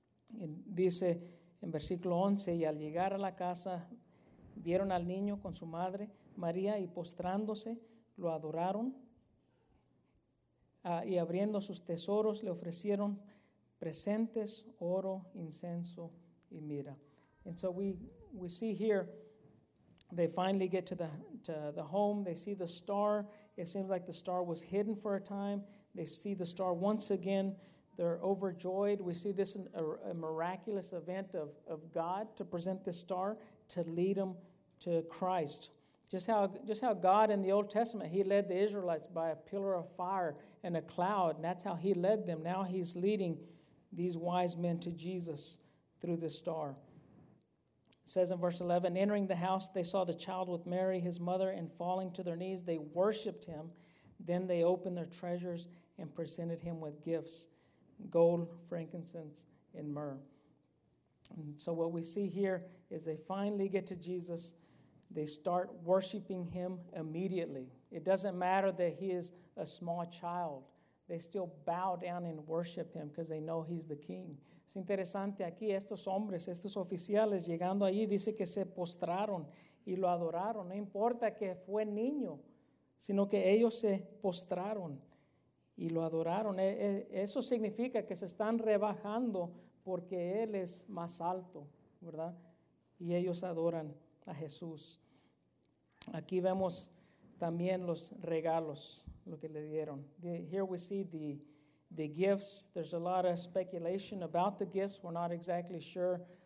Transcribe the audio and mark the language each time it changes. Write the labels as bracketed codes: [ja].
[es] Y dice en versículo 11, y al llegar a la casa vieron al niño con su madre María, y postrándose lo adoraron, y abriendo sus tesoros le ofrecieron presentes, oro, incenso y mirra. [en] And so we see here they finally get to the home. They see the star. It seems like the star was hidden for a time. They see the star once again. They're overjoyed. We see this a miraculous event of God to present the star to lead them to Christ. Just how God in the Old Testament, he led the Israelites by a pillar of fire and a cloud, and that's how he led them. Now he's leading these wise men to Jesus through the star. It says in verse 11, entering the house, they saw the child with Mary, his mother, and falling to their knees, they worshiped him. Then they opened their treasures and presented him with gifts, gold, frankincense, and myrrh. And so what we see here is they finally get to Jesus. They start worshiping him immediately. It doesn't matter that he is a small child. They still bow down and worship him because they know he's the king. [es] Es interesante aquí, estos hombres, estos oficiales llegando allí, dice que se postraron y lo adoraron. No importa que fue niño, sino que ellos se postraron y lo adoraron. Eso significa que se están rebajando porque él es más alto, ¿verdad? Y ellos adoran a Jesús. Aquí vemos también los regalos, lo que le dieron. [en] Here we see the gifts. There's a lot of speculation about the gifts. We're not exactly sure.